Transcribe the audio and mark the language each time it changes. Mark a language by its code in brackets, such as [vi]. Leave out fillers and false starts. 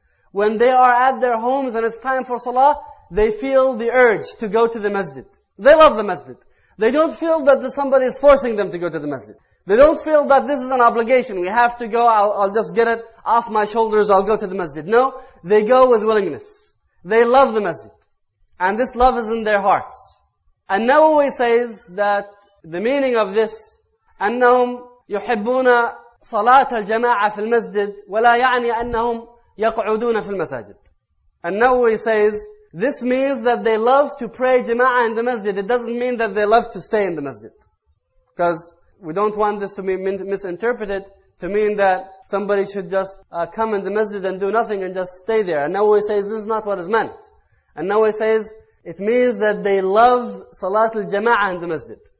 [en] When they are at their homes and it's time for salah, they feel the urge to go to the masjid. They love the masjid. They don't feel that somebody is forcing them to go to the masjid. They don't feel that this is an obligation. We have to go. I'll just get it off my shoulders. I'll go to the masjid. No, they go with willingness. They love the masjid. And this love is in their hearts. [ar] And Nawawi says that the meaning of this, أَنَّهُمْ يُحِبُّونَ صَلَاةَ الْجَمَاعَةِ فِي الْمَسْجِدِ وَلَا يَعْنِي أَنَّهُمْ يَقْعُدُونَ فِي الْمَسَاجِدِ. [en] And Nawawi says, this means that they love to pray jama'ah in the masjid. It doesn't mean that they love to stay in the masjid. Because we don't want this to be misinterpreted to mean that somebody should just come in the masjid and do nothing and just stay there. And Nawawi says this is not what is meant. And Nawawi says it means that they love salat al-jama'ah in the masjid.